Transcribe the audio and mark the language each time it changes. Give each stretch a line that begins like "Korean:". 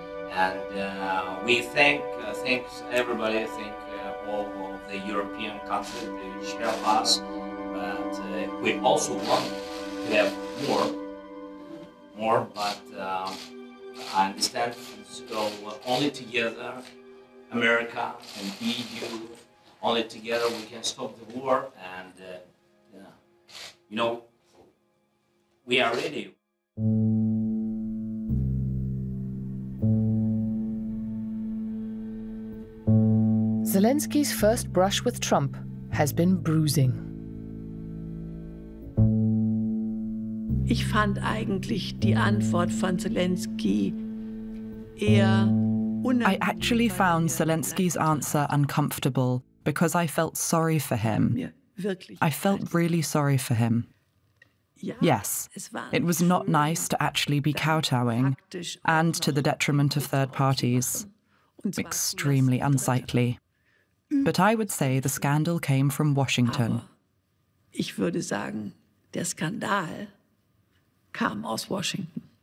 English: And we thanks everybody, all of the European countries which help us, but we also want to have more, but I understand, so only together, America and EU, only together we can stop the war, and you know, we are ready. Zelensky's first brush with Trump has been bruising.
German: Ich fand eigentlich die Antwort von Zelensky eher
English: I actually found Zelensky's answer uncomfortable because I felt sorry for him. I felt really sorry for him. Yes, it was not nice to actually be kowtowing, and to the detriment of third parties. Extremely unsightly. But I would say the scandal came from Washington.
German: Ich würde sagen, der Skandal kam aus Washington.